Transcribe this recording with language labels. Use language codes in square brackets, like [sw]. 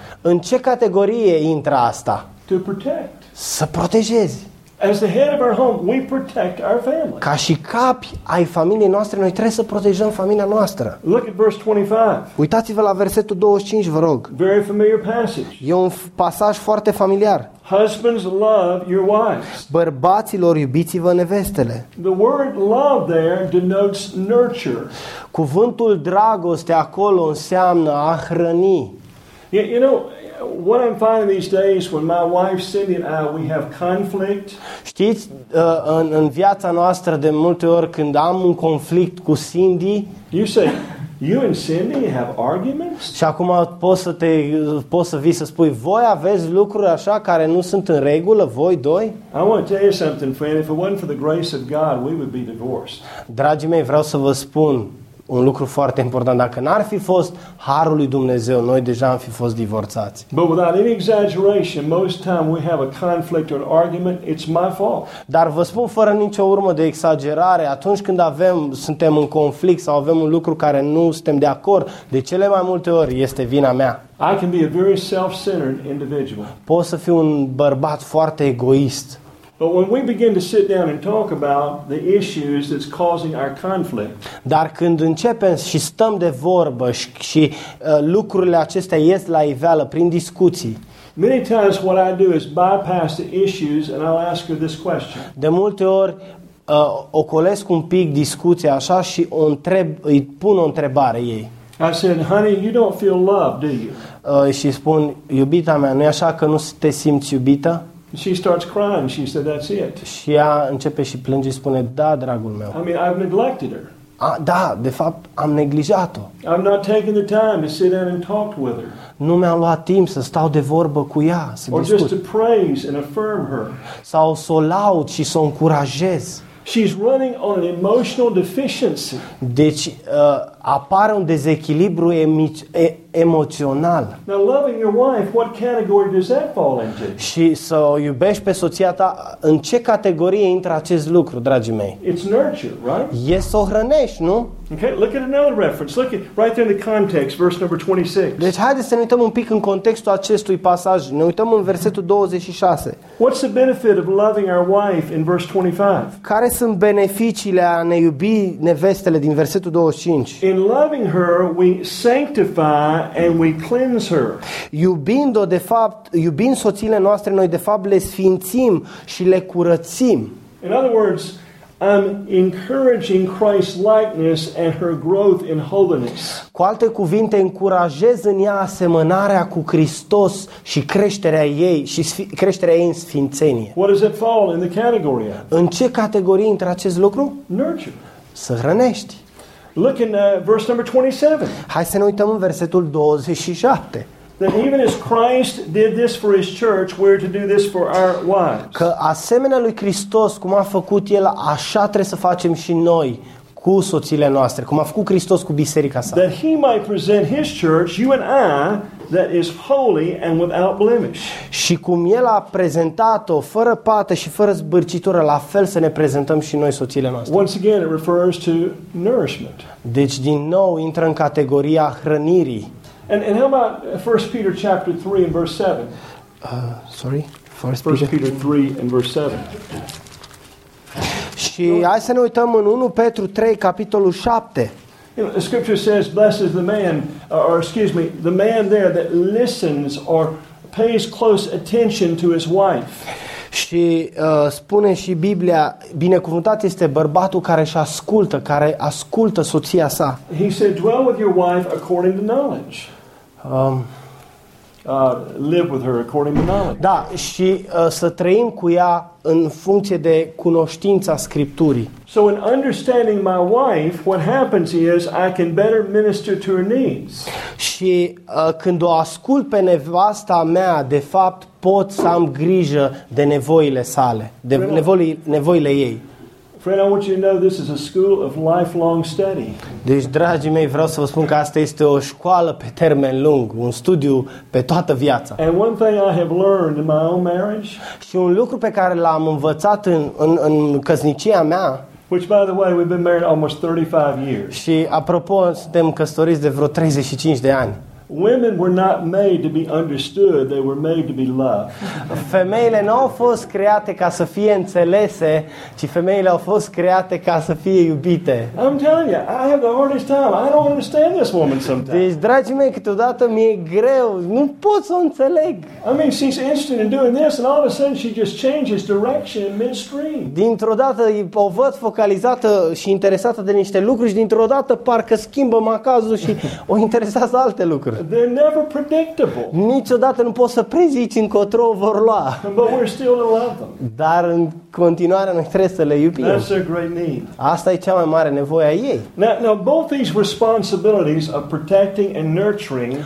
[ro] În ce categorie intră asta? [en] To protect. [ro] Să protejezi. [en] As the head of our home, we protect our family. [ro] Ca și capi ai familiei noastre, noi trebuie să protejăm familia noastră. [en] Look at verse 25. [ro] Uitați-vă la versetul 25, vă rog. [en] Very familiar passage. [ro] E un pasaj foarte familiar. [en] Husbands, love your wives. [ro] Bărbaților, iubiți-vă nevestele. [en] The word love there denotes nurture. [ro] Cuvântul dragoste acolo înseamnă a hrăni. [en] You know, what I'm finding these days when my wife Cindy and I we have conflict. [ro] Știți, în viața noastră de multe ori când am un conflict cu Cindy, [en] you say you and Cindy have arguments? [ro] Și acum poți să spui voi aveți lucruri așa care nu sunt în regulă voi doi? [en] I want to tell you something, friend. If it wasn't for the grace of God, we would be divorced. [ro] Dragii mei, vreau să vă spun un lucru foarte important. Dacă n-ar fi fost harul lui Dumnezeu, noi deja am fi fost divorțați. [en] But without any exaggeration, most time we have a conflict or an argument, it's my fault. [ro] Dar vă spun fără nicio urmă de exagerare, atunci când suntem în conflict sau avem un lucru care nu suntem de acord, de cele mai multe ori este vina mea. [en] I can be a very self-centered individual. [ro] Pot să fiu un bărbat foarte egoist. [en] But when we begin to sit down and talk about the issues that's causing our conflict. [ro] Dar când începem și stăm de vorbă și lucrurile acestea ies la iveală prin discuții. [en] Many times what I do is bypass the issues and I'll ask her this question. [ro] De multe ori ocolesc un pic discuția așa și o întreb, îi pun o întrebare ei. [en] I said, honey, you don't feel loved, do you? [ro] Și spun, iubita mea, nu e așa că nu te simți iubită? [en] She starts crying. She said, "That's it." [ro] Și ea începe și plânge și spune, "Da, dragul meu." [en] I mean, I've neglected her. [ro] Da, de fapt, am neglijat-o. [en] I'm not taking the time to sit down and talk with her. [ro] Nu mi-am luat timp să stau de vorbă cu ea, să discut. [en] Or just to praise and affirm her. [ro] Sau să o laud și să o încurajez. [en] She's running on an emotional deficiency. [ro] Deci apare un dezechilibru emoțional. [en] Now, loving your wife, what category does that fall into? [ro] Și să o iubești pe soția ta, în ce categorie intră acest lucru, dragii mei? [en] It's nurture, right? [ro] E să o hrănești, nu? [en] Okay, look at another reference. Look at right there in the context, verse number 26. [ro] Deci haideți să ne uităm un pic în contextul acestui pasaj. Ne uităm în versetul 26. [en] What's the benefit of loving our wife in verse 25? [ro] Care sunt beneficiile a ne iubi nevestele din versetul 25? [en] In loving her, we sanctify and we cleanse her. [ro] Iubind-o de fapt, iubind soțiile noastre, noi de fapt le sfințim și le curățim. [en] In other words, I'm encouraging Christ's likeness and her growth in holiness. [ro] Cu alte cuvinte, încurajez în ea asemănarea cu Hristos și creșterea ei și creșterea ei în sfințenie. [en] What does it fall in the category of? [ro] În ce categorie intră acest lucru? [en] Nurture. [ro] Să hrănești. [en] Look in verse number 27. [ro] Hai să ne uităm în versetul 27. [en] That even as Christ did this for his church, we're to do this for our wives. [ro] Că asemenea lui Hristos, cum a făcut el, așa trebuie să facem și noi cu soțiile noastre, cum a făcut Hristos cu biserica sa. [en] That he might present his church, you and I, that is holy and without blemish. [ro] Și cum el a prezentat-o fără pată și fără zbârcitură, la fel să ne prezentăm și noi soțiile noastre. [en] Once again it refers to nourishment. [ro] Deci din nou intră în categoria hrănirii. [en] And how about 1 Peter chapter 3 and verse 7? Sorry, 1 Peter 3 and verse 7. [ro] Și hai să ne uităm în 1 Petru 3 capitolul 7. [en] The scripture says, blessed is the man, the man there that listens or pays close attention to his wife. [ro] Și spune și Biblia, binecuvântat este bărbatul care își ascultă, care ascultă soția sa. [en] He said, dwell with your wife according to knowledge. Live with her according to knowledge. [ro] Da, și să trăim cu ea în funcție de cunoștința Scripturii. [en] So in understanding my wife, what happens is I can better minister to her needs. [ro] Și când o ascult pe nevasta mea, de fapt pot să am grijă de nevoile sale, de nevoile ei. [en] Friend, I want you to know this is a school of lifelong study. [ro] Deci, dragii mei, vreau să vă spun că asta este o școală pe termen lung, un studiu pe toată viața. [en] And one thing I have learned in my own marriage. [ro] Și un lucru pe care l-am învățat în căsnicia mea. [en] Which, by the way, we've been married almost 35 years. [ro] Și apropo, suntem căsătoriți de vreo 35 de ani. [en] Women were not made to be understood, they were made to be loved. [ro] Femeile nu au fost create ca să fie înțelese, ci femeile au fost create ca să fie iubite. [en] I'm telling you, I have the hardest time. I don't understand this woman sometimes. [ro] Deci, dragii mei, câteodată mi-e greu, nu pot să o înțeleg. [en] I mean, she's interested in doing this and all of a sudden she just changes direction in midstream. [ro] Dintr-o dată o văd focalizată și interesată de niște lucruri și dintr-o dată parcă schimbă macazul și o interesează alte lucruri. [en] They're never predictable. [ro] Niciodată nu poți să prezici încotro vor lua. [en] But we're still in love them. [ro] Dar în continuare noi trebuie să le iubim. [en] That's a great need. [ro] Asta e cea mai mare nevoie a ei. [en] Now both these responsibilities of protecting and nurturing.